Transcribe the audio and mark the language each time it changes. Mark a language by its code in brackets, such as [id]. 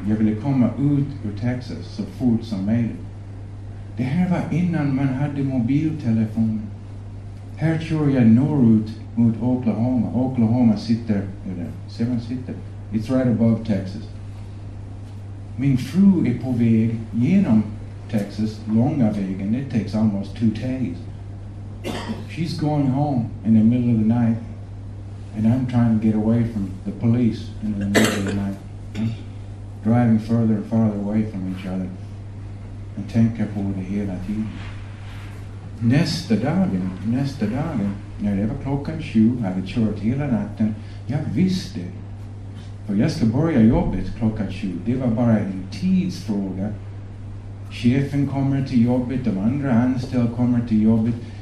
[sv] Jag ville komma ut ur Texas så fort som möjligt. Det här var innan man hade mobiltelefon. Här kör jag norrut mot Oklahoma. Oklahoma sitter, eller Seven sitter. [en] It's right above Texas. [sv] Min fru är på väg genom Texas, långa vägen. [en] It takes almost 2 days. She's going home in the middle of the night. And I'm trying to get away from the police in the middle of the night. Driving further and farther away from each other. And [sv] tänker på det hela tiden. Nästa dagen, när det var klockan 7, jag hade kört hela natten. Jag visste. För jag ska börja jobbet klockan 7. Det var bara en tidsfråga. Chefen kommer till jobbet, de andra anställda kommer till jobbet.